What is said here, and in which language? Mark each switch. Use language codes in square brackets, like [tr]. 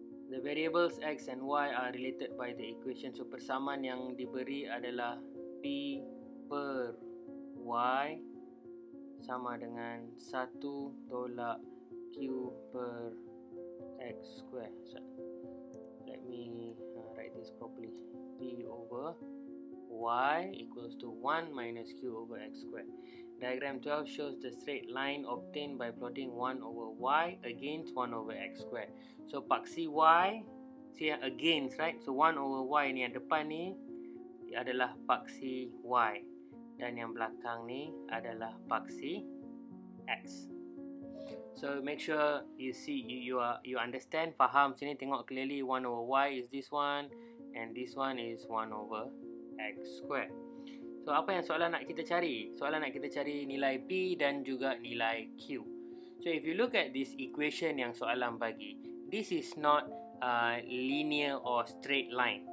[en] The variables x and y are related by the equation. [ms] So persamaan yang diberi adalah p per y sama dengan 1 tolak q per x square. [en] So, let me write this properly. P over y equals to 1 minus q over x square. Diagram 12 shows the straight line obtained by plotting 1 over y against 1 over x square. So paksi y, see, against, right? [ms] So 1 over y ni yang depan ni adalah paksi y, dan yang belakang ni adalah paksi x. [en] So make sure you see, you understand, [ms] faham sini, tengok [en] clearly. 1 over y is this one, and this one is 1 over x square. [ms] So apa yang soalan nak kita cari? Soalan nak kita cari nilai p dan juga nilai q. [en] So if you look at this equation [ms] yang soalan bagi, [en] this is not linear or straight line.